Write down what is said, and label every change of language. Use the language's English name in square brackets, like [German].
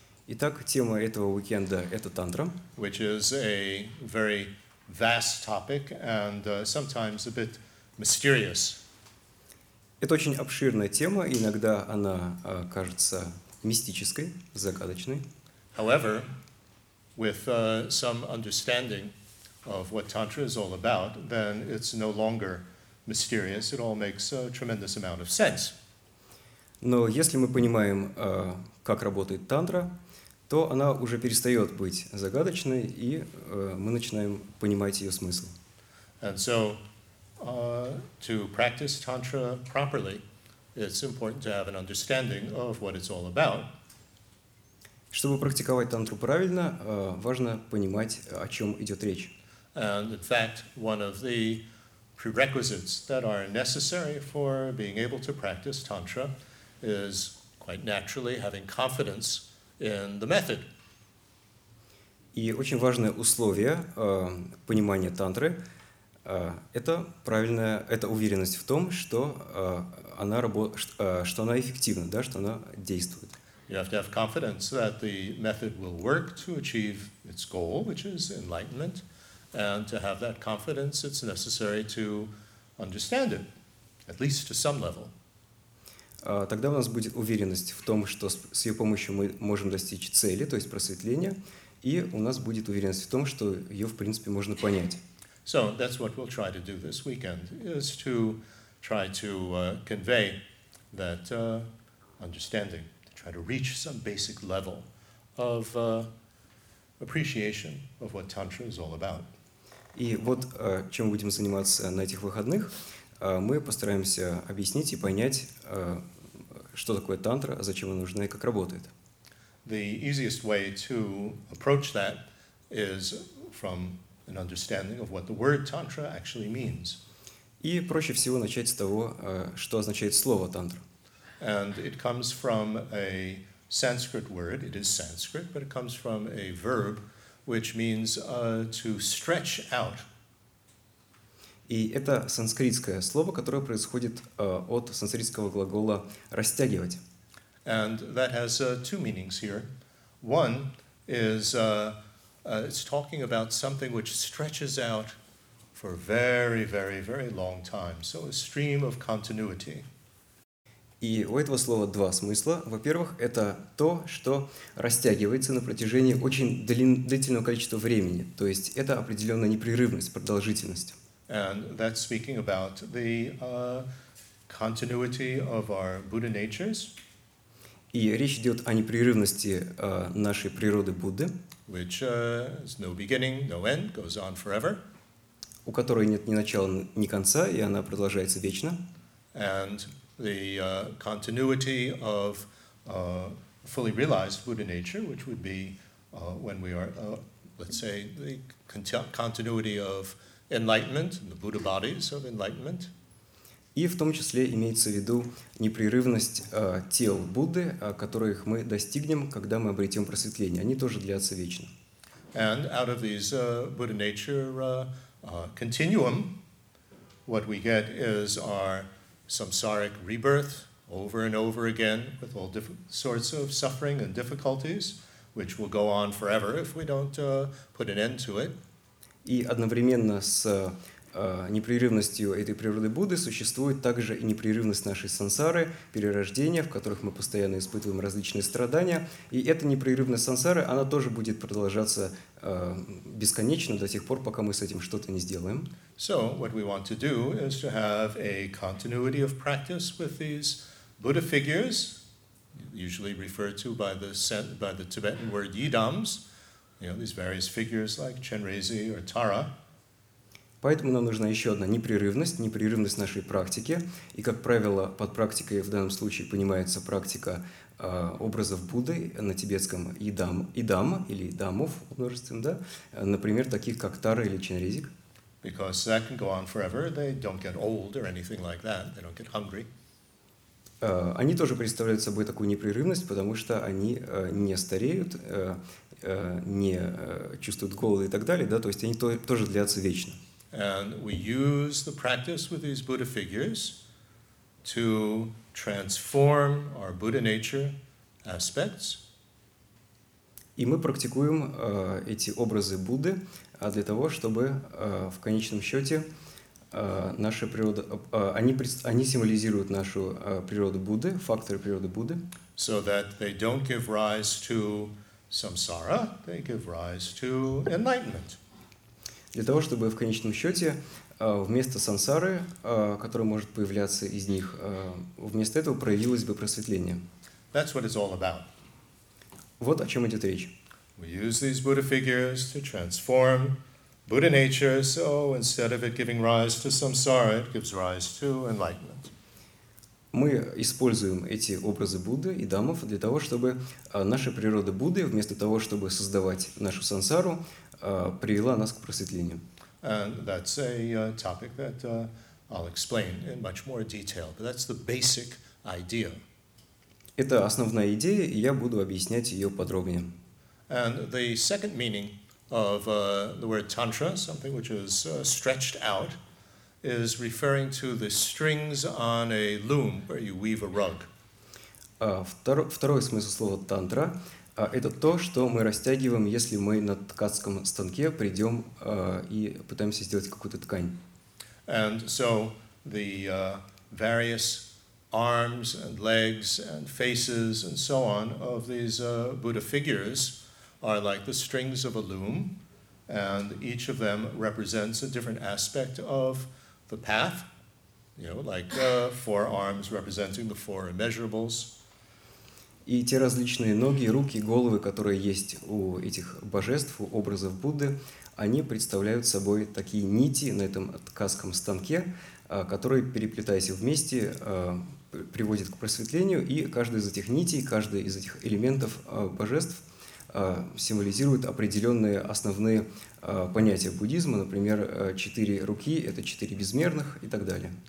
[Russian] Итак, тема этого уикенда – это Тантра. [English] Which is a very vast topic and sometimes a bit mysterious. [Russian] Это очень обширная тема, иногда она кажется мистической, загадочной. [English] However, with some understanding of what Tantra is all about, then it's no longer mysterious. It all makes a tremendous amount of sense. [Russian] Но если мы понимаем, как работает Тантра, то она уже перестает быть загадочной, и мы начинаем понимать ее смысл. [English] And so, to practice Tantra properly, it's important to have an understanding of what it's all about. [Russian] Чтобы практиковать тантру правильно, важно понимать, о чем идет речь. [English] And in fact, one of the prerequisites that are necessary for being able to practice Tantra is quite naturally having confidence in the method. [Russian] И очень важное условие понимания тантры это уверенность в том, что она эффективна, да, что она действует. [English] You have to have confidence that the method will work to achieve its goal, which is enlightenment, and to have that confidence, it's necessary to understand it, at least to some level. [Russian] Тогда у нас будет уверенность в том, что с ее помощью мы можем достичь цели, то есть просветления, и у нас будет уверенность в том, что ее, в принципе, можно понять. [English] So that's what we'll try to do this weekend, is to try to convey that understanding, to try to reach some basic level of appreciation of what Tantra is all about. [Russian] И вот чем мы будем заниматься на этих выходных, мы постараемся объяснить и понять, что такое тантра, зачем она нужна и как работает. [English] The easiest way to approach that is from an understanding of what the word tantra actually means. [Russian] И проще всего начать с того, что означает слово тантра. [English] And it comes from a Sanskrit word. It is Sanskrit, but it comes from a verb, which means to stretch out. [Russian] И это санскритское слово, которое происходит от санскритского глагола «растягивать». [English] And that has two meanings here. One is it's talking about something which stretches out for very, very, very long time. So a stream of continuity. [Russian] И у этого слова два смысла. Во-первых, это то, что растягивается на протяжении очень длительного количества времени. То есть это определенная непрерывность, продолжительность. [English] And that's speaking about the continuity of our Buddha natures. [Russian] И речь идет о непрерывности нашей природы Будды. [English] Which has no beginning, no end, goes on forever. [Russian] У которой нет ни начала, ни конца, и она продолжается вечно. [English] And the continuity of fully realized Buddha nature, which would be when we are, let's say, the continuity of enlightenment, the Buddha bodies of enlightenment. [Russian] И в том числе имеется в виду непрерывность тел Будды, которых мы достигнем, когда мы обретем просветление. Они тоже длятся вечно. [English] And out of these Buddha nature continuum, what we get is our samsaric rebirth over and over again with all different sorts of suffering and difficulties, which will go on forever if we don't put an end to it. [Russian] И одновременно с непрерывностью этой природы Будды существует также и непрерывность нашей сансары, перерождения, в которых мы постоянно испытываем различные страдания. И эта непрерывность сансары, она тоже будет продолжаться бесконечно до тех пор, пока мы с этим что-то не сделаем. [English] So, what we want to do is to have a continuity of practice with these Buddha figures, usually referred to by the Tibetan word yidams. You know, these various figures like Chenrezig or Tara. [Russian] Поэтому нам нужна еще одна непрерывность, непрерывность нашей практики. И, как правило, под практикой в данном случае понимается практика образов Будды на тибетском идам или дамов множественным, да? Например, таких как Тара или Ченрезик. [English] Because that can go on forever. They don't get old or anything like that. They don't get hungry. [Russian] Они тоже представляют собой такую непрерывность, потому что они не стареют, не чувствуют голода и так далее, да, то есть они тоже длятся вечно. [English] And we use the practice with these Buddha figures to transform our Buddha nature aspects. [Russian] И мы практикуем эти образы Будды для того, чтобы в конечном счете наша природа, они символизируют нашу природу Будды, факторы природы Будды. [English] So that they don't give rise to samsara, they give rise to enlightenment. [Russian] Для того, чтобы в конечном счете вместо сансары, которая может появляться из них, вместо этого проявилось бы просветление. [English] That's what it's all about. [Russian] Вот о чем идет речь. [English] We use these Buddha figures to transform Buddha nature, so instead of it giving rise to samsara, it gives rise to enlightenment. [Russian] Мы используем эти образы Будды и дамов для того, чтобы наша природа Будды, вместо того, чтобы создавать нашу сансару, привела нас к просветлению. [English] And that's a topic that I'll explain in much more detail, but that's the basic idea. [Russian] Это основная идея, и я буду объяснять ее подробнее. [English] And the second meaning of the word tantra, something which is stretched out, is referring to the strings on a loom where you weave a rug. [Russian] Второй смысл слова тантра это то, что мы растягиваем, если мы на ткацком станке придем и пытаемся сделать какую-то ткань. [English] And so the various arms and legs and faces and so on of these Buddha figures are like the strings of a loom, and each of them represents a different aspect of the path, you know, like four arms representing the four immeasurables. [Russian] И те различные ноги, руки, головы, которые есть у этих божеств, у образов Будды, они представляют собой такие нити на этом ткацком станке, которые, переплетаясь вместе, приводят к просветлению, и каждая из этих нитей, каждый из этих элементов божеств символизирует определенные основные понятия буддизма, например, четыре руки – это четыре безмерных и так далее.